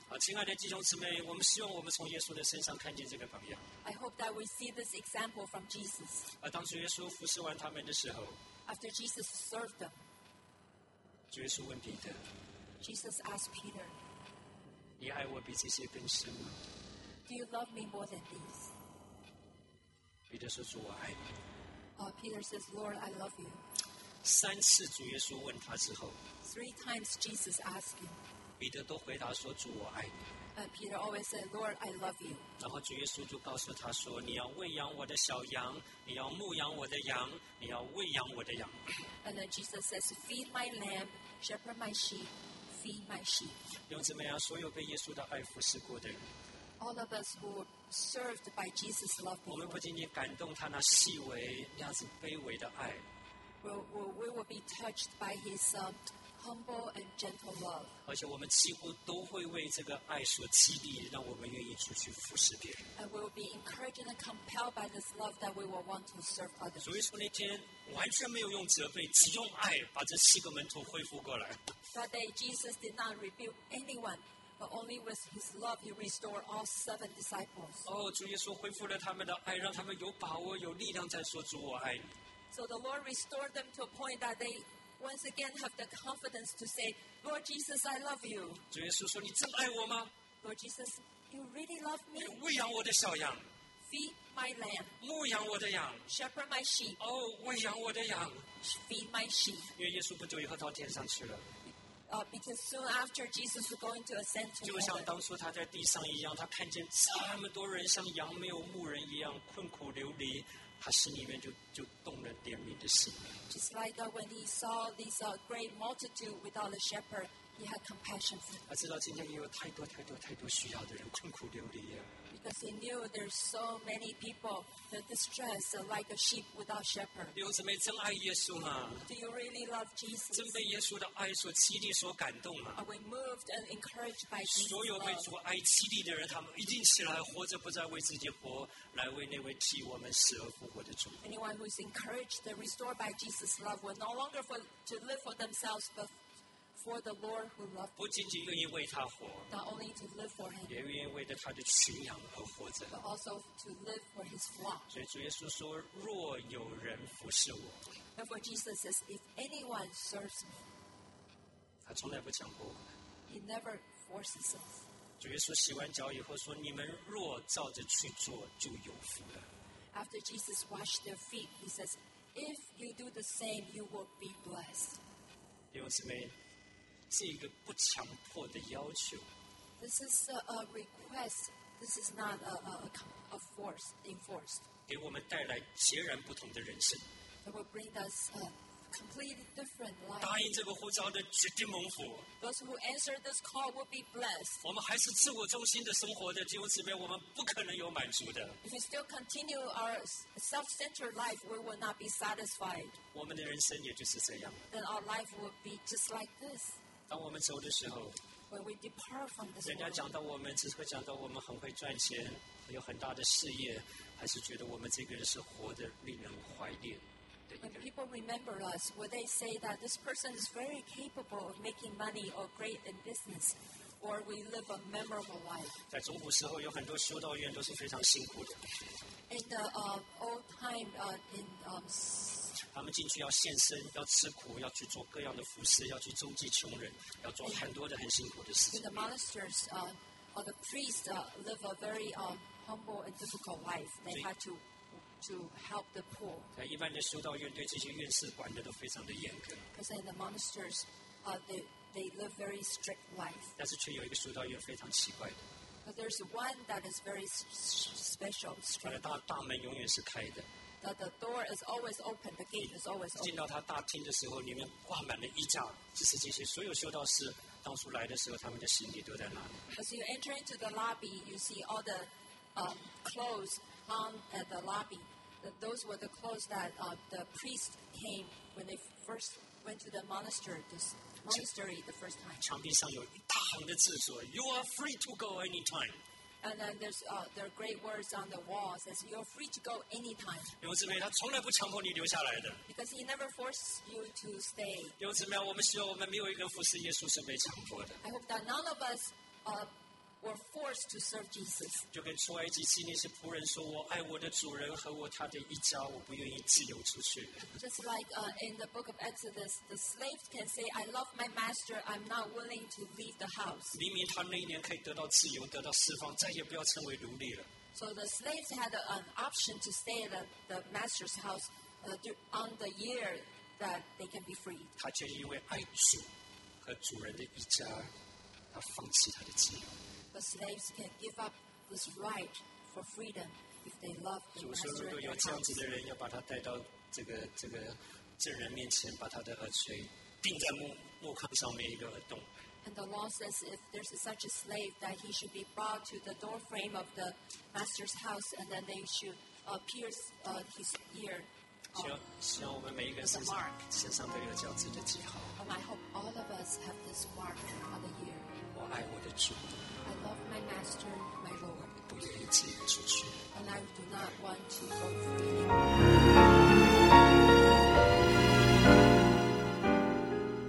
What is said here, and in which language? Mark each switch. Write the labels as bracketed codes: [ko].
[zh] 好，亲爱的弟兄姊妹，我们希望我们从耶稣的身上看见这个榜样。 [en] I hope that we see this example from Jesus. [zh] 当主耶稣服侍完他们的时候。 [en] After Jesus served them, [zh] 主耶稣问彼得。 [en] Jesus asked Peter, [zh] 你爱我比这些更深吗？ [en] Do you love me more than these? [zh] 彼得说主我爱你。 [en] Peter says, Lord, I love you. [zh] 三次主耶稣问他之后。 [en] Three times Jesus asked him. [zh] 彼得都回答说主我爱你。 [en] Peter always said, Lord, I love you. [zh] 然后主耶稣就告诉他说，你要喂养我的小羊，你要牧养我的羊，你要喂养我的羊。 [en] And then Jesus says, feed my lamb, shepherd my sheep, feed my sheep. [zh] 用怎么样，所有被耶稣的爱服侍过的人。 [en] All of us who were served by Jesus' love. [zh] 我们不仅仅感动他那细微，那样子卑微的爱。 [en] We will be touched by his humble and gentle love. [zh] 而且我们几乎都会为这个爱所激励，让我们愿意出去服侍别人。 [en] And we will be encouraged and compelled by this love that we will want to serve others. [zh] 所以说那天完全没有用责备，只用爱把这七个门徒恢复过来。 [en] That day Jesus did not rebuke anyone, but only with his love he restored all seven disciples. [zh] 哦，主耶稣恢复了他们的爱，让他们有把握、有力量再说主我爱你。 [en] So the Lord restored them to a point that they once again have the confidence to say, Lord Jesus, I love you. [zh] 主耶稣说，你真爱我吗？ [en] Lord Jesus, you really love me. [zh] 你喂养我的小羊。 [en] Feed my lamb. [zh] 牧养我的羊。 [en] Shepherd my sheep. [zh] 哦，喂养我的羊。 [en] Feed my sheep. [zh] 因为耶稣不久以后到天上去了。 [en] Because soon after Jesus was going to ascend to heaven. [zh] 就像当初他在地上一样，他看见这么多人像羊没有牧人一样困苦流离。他心里面 就动了怜悯的心。 [en] Just like when he saw this great multitude without a shepherd, he had compassion for them. [zh] 他知道今天也有太多太多太多需要的人困苦流离。 [en] Because he knew there's so many people that distress like a sheep without shepherd. [zh] 弟兄姊妹，真爱耶稣吗？ [en] Do you really love Jesus? [zh] 真被耶稣的爱所激励所感动吗？ [en] Are we moved and encouraged by Jesus? [zh] 所有被主爱激励的人，他们一定起来活着，不再为自己活，来为那位替我们死而复活的主。 [en] Anyone who is encouraged and restored by Jesus' love will no longer to live for themselves, but for the Lord who loved him, [zh] 不仅仅愿意为他活， [en] not only to live for him, [zh] 也愿意为着他的群羊而活着， [en] but also to live for his flock. [zh] 所以主耶稣说，若有人服侍我， [en] therefore Jesus says, if anyone serves me, [zh] 他从来不强迫我们， [en] he never forces us. [zh] 主耶稣洗完脚以后说，你们若照着去做，就有福了。 [en] After Jesus washed their feet, he says, if you do the same, you will be blessed. [zh] 弟兄姊妹，这个不强迫的要求。 [en] This is a request. This is not a force enforced. [zh] 给我们带来截然不同的人生。 [en] It will bring us a completely different life. [zh] 答应这个呼召的绝对蒙福。 [en] Those who answer this call will be blessed. [zh] 我们还是自我中心的生活的弟兄姊妹，我们不可能有满足的。 [en] If we still continue our self-centered life, we will not be satisfied. [zh] 我们的人生也就是这样。 [en] Then our life will be just like this. [zh] 当我们走的时候， [en] when we depart from this [zh] world, 人家讲到我们，只会讲到我们很会赚钱，有很大的事业，还是觉得我们这个人是活得令人怀念的一个人。 [en] When people remember us, will they say that this person is very capable of making money or great in business, or we live a memorable life? [zh] 在中古时候，有很多修道院都是非常辛苦的。 [en] In the old time, in [zh] 他们进去要献身，要吃苦，要去做各样的服侍，要去周济穷人，要做很多的很辛苦的事情。 [en] The monasteries, or the priests, live a very humble and difficult life. They had to help the poor. [zh] 在一般的修道院，对这些院士管的都非常的严格。 [en] Because in the monasteries, they live very strict life. [zh] 但是却有一个修道院非常奇怪的。 [en] But there's one that is very special. [zh] 它的大门永远是开的。 [en] That the door is always open, the gate is always open. [zh] 进到他大厅的时候，里面挂满了衣架，只是这些所有修道士当初来的时候，他们的行李都在那里。 [en] As you enter into the lobby, you see all the clothes hung at the lobby. Those were the clothes that the priest came when they first went to the monastery, the first time. [zh] 墙壁上有一大行的字说 [en] "You are free to go anytime." And then there are great words on the wall says you're free to go anytime. [zh] 弟兄姊妹，他从来不强迫你留下来的。 [en] Because he never forced you to stay. [zh] 弟兄姊妹，我们希望我们没有一个服侍耶稣是被强迫的。 [en] I hope that none of us were forced to serve Jesus. [zh] 就跟出埃及记那些仆人说，我爱我的主人和他的一家，我不愿意自由出去。 [en] Just like in the book of Exodus, the slaves can say, I love my master, I'm not willing to leave the house. [zh] 明明他那一年可以得到自由，得到释放，再也不要成为奴隶了。 [en] So the slaves had an option to stay at the master's house on the year that they can be freed. [zh] 他却因为爱主和主人的一家，他放弃他的自由。 [en] But slaves can give up this right for freedom if they love the master. [zh] 主说：“ 如果有这样子的人，要把他带到这个证人面前，把他的耳垂钉在木框上面一个耳洞。” [en] And the law says if there's such a slave that he should be brought to the door frame of the master's house, and then they should pierce his ear. [zh] 希望我们每一个人身上都有叫自己的记号。 [en] And I hope all of us have this mark on the ear. [zh] 我爱我的主。 [en] I love my master, my Lord. [zh] 不愿意自己出去。 [en] And I do not want to go free.